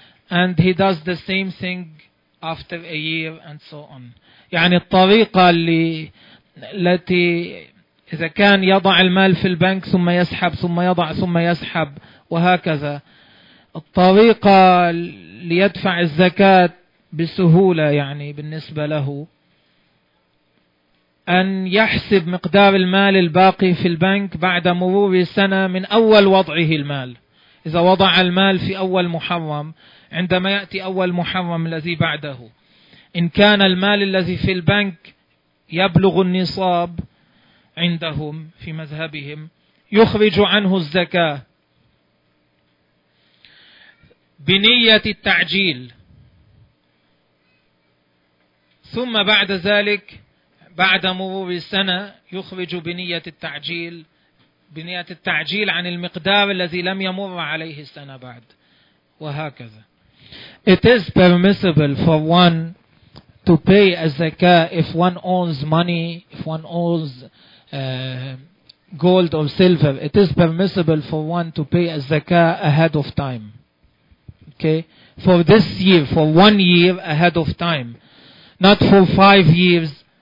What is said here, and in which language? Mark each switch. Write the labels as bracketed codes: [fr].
[en] And he does the same thing after a year and so on. [ar] يعني الطريقة اللي التي إذا كان يضع المال في البنك ثم يسحب ثم يضع ثم يسحب وهكذا. الطريقة ليدفع الزكاة بسهولة يعني بالنسبة له أن يحسب مقدار المال الباقي في البنك بعد مرور سنة من أول وضعه المال. إذا وضع المال في أول محرم، عندما يأتي أول محرم الذي بعده، إن كان المال الذي في البنك يبلغ النصاب عندهم في مذهبهم يخرج عنه الزكاة بنية التعجيل، ثم بعد ذلك بعد مرور سنة يخرج بنية التعجيل، بنية التعجيل عن المقدار الذي لم يمر عليه السنة بعد وهكذا. [en] It is permissible for one to pay a zakah if one owns money, if one owns gold or silver. It is permissible for one to pay a zakah ahead of time. Okay? For this year, for 1 year ahead of time. Not for 5 years.